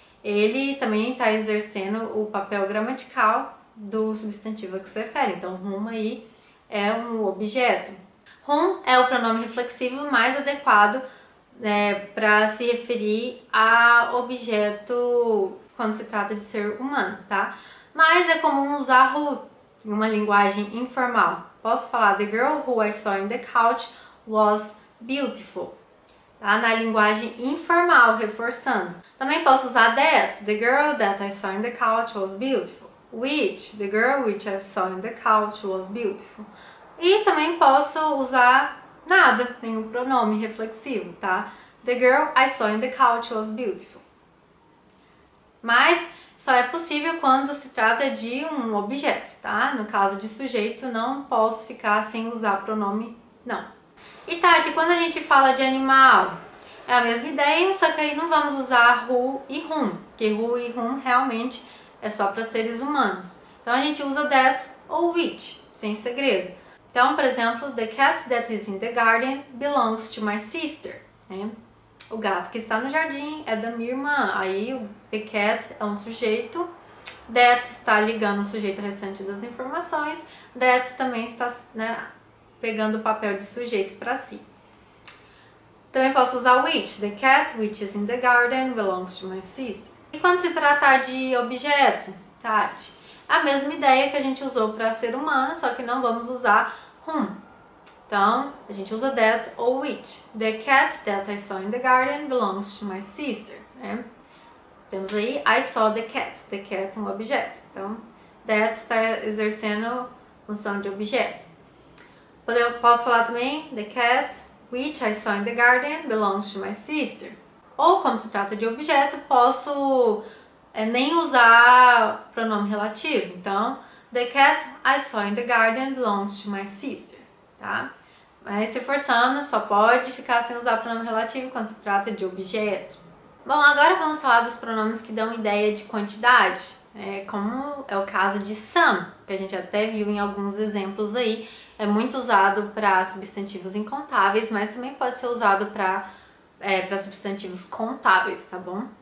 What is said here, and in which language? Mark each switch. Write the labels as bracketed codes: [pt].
[pt] Ele também está exercendo o papel gramatical do substantivo a que se refere. Então, o whom aí é um objeto. Whom é o pronome reflexivo mais adequado, né, para se referir a objeto quando se trata de ser humano, tá? Mas é comum usar who em uma linguagem informal. Posso falar, [en] the girl who I saw in the couch was beautiful, tá? [pt] Na linguagem informal, reforçando. Também posso usar [en] that, the girl that I saw in the couch was beautiful. Which, the girl which I saw in the couch was beautiful. [pt] E também posso usar nada, nenhum pronome reflexivo, tá? [en] The girl I saw in the couch was beautiful. [pt] Mas só é possível quando se trata de um objeto, tá? No caso de sujeito, não posso ficar sem usar pronome, não. E Tati, quando a gente fala de animal, é a mesma ideia, só que aí não vamos usar who e whom, porque who e whom realmente é só para seres humanos. Então a gente usa that ou which, sem segredo. Então, por exemplo, [en] the cat that is in the garden belongs to my sister, [pt] né? O gato que está no jardim é da minha irmã. Aí o the cat é um sujeito, that está ligando o sujeito restante das informações, that também está, né, pegando o papel de sujeito para si. Também posso usar which. [en] The cat which is in the garden belongs to my sister. [pt] E quando se tratar de objeto, Tati, a mesma ideia que a gente usou para ser humano, só que não vamos usar whom. Então, a gente usa that ou which. [en] The cat that I saw in the garden belongs to my sister. [pt] Né? Temos aí, [en] I saw the cat. [pt] The cat é um objeto. Então, that está exercendo função de objeto. Eu posso falar também, [en] the cat which I saw in the garden belongs to my sister. [pt] Ou, como se trata de objeto, posso nem usar pronome relativo. [en] Então, the cat I saw in the garden belongs to my sister. [pt] Tá? Mas se forçando, só pode ficar sem usar pronome relativo quando se trata de objeto. Bom, agora vamos falar dos pronomes que dão ideia de quantidade, né? Como é o caso de some, que a gente até viu em alguns exemplos aí. É muito usado para substantivos incontáveis, mas também pode ser usado para para substantivos contáveis, tá bom?